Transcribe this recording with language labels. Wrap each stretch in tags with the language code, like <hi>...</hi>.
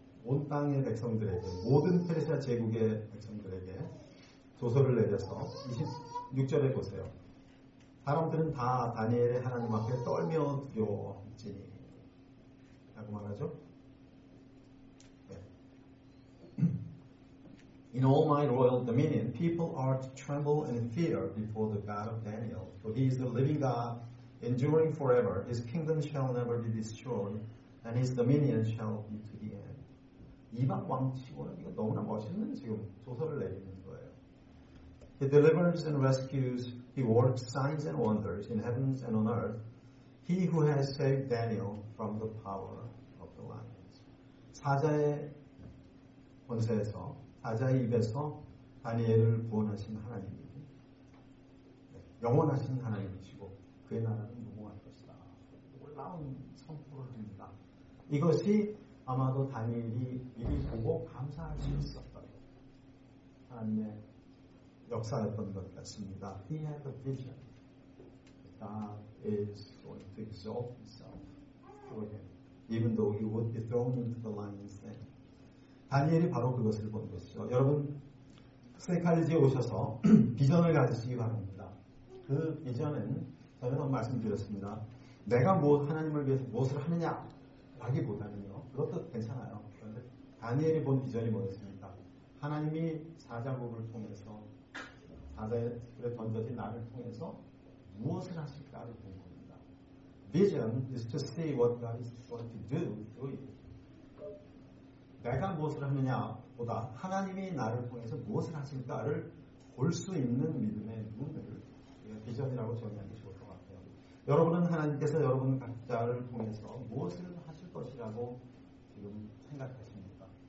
<ko>온 땅의 백성들에게 모든 페르시아 제국의 백성들에게 도서를 내려서 26절에 보세요. 사람들은 다 다니엘의 하나님 앞에 떨며 두려워했지니 라고 말하죠.</ko> <en>In all my royal dominion, people are to tremble and fear before the God of Daniel. For he is the living God, enduring forever. His kingdom shall never be destroyed, and his dominion shall be to the end.</en> <ko>이방 왕치고는 이거 너무나 멋있는 지금 조서를 내리는 거예요.</ko> <en>He delivers and rescues, he works signs and wonders in heavens and on earth. He who has saved Daniel from the power of the lions.</en> <ko>사자의 권세에서 사자의 입에서 다니엘을 구원하신 하나님이 영원하신 하나님이시고 그의 나라는 무궁할 것이다. 놀라운 선포를 합니다. 이것이 아마도 다니엘이 미리 보고 감사할 수 있었던 하나님의 역사였던 것 같습니다.</ko> <en>He had a vision. God is going to exalt himself through him. Even though he would be thrown into the lion's den.</en> <ko>다니엘이 바로 그것을 본 것이죠. 여러분, 세칼리지에 오셔서 비전을 가지시기 바랍니다. 그 비전은 전에도 말씀드렸습니다. 내가 무엇, 하나님을 위해서 무엇을 하느냐 라기보다는요. 그것도 괜찮아요. 그런데 다니엘이 본 비전이 뭐였습니까? 하나님이 사자굴을 통해서 사자굴에 던져진 나를 통해서 무엇을 하실까를 보는 겁니다.</ko> <en>Vision is to see what God is going to do through you.</en> <ko>내가 무엇을 하느냐보다 하나님이 나를 통해서 무엇을 하실까를 볼 수 있는 믿음의 눈을 비전이라고 정의하기 좋을 것 같아요. 여러분은 하나님께서 여러분 각자를 통해서 무엇을 하실 것이라고 지금 생각하십니까?</ko>